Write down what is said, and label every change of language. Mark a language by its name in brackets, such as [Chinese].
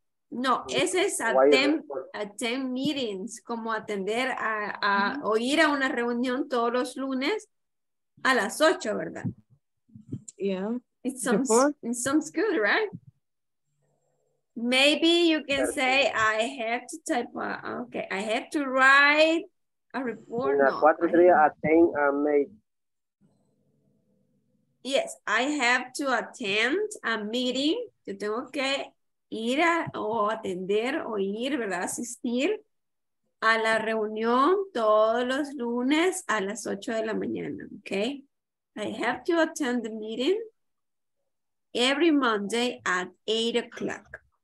[Spanish] No, ese es [English] attend meetings, [Spanish] como atender a o ir a una reunión todos los lunes a las 8, ¿verdad? [English] Yeah. It sounds good, right? Maybe you can say, I have to write... A report. No, 4-3, attend a meeting. Yes, I have to attend a meeting. [Spanish] Yo tengo que ir a, o atender o ir, ¿verdad? Asistir a la reunión todos los lunes a las 8 de la mañana, ¿ok? [English] I have to attend the meeting every Monday at 8 o'clock.